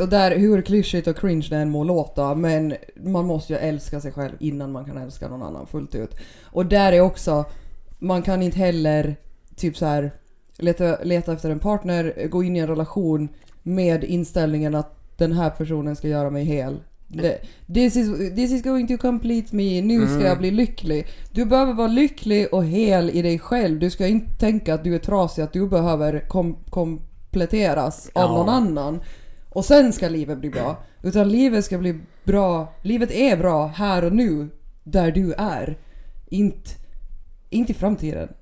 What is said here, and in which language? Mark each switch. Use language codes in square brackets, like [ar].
[sv] Och där, hur klyschigt och cringe det än må låta, men man måste ju älska sig själv innan man kan älska någon annan fullt ut. Och där är också, man kan inte heller typ så här leta efter en partner, gå in i en relation med inställningen att den här personen ska göra mig hel. [en] This is going to complete me. [sv] Nu ska jag bli lycklig. Du behöver vara lycklig och hel i dig själv. Du ska inte tänka att du är trasig, att du behöver kompletteras av någon annan. Och sen ska livet bli bra. Utan livet ska bli bra. Livet är bra här och nu, där du är. Inte i framtiden.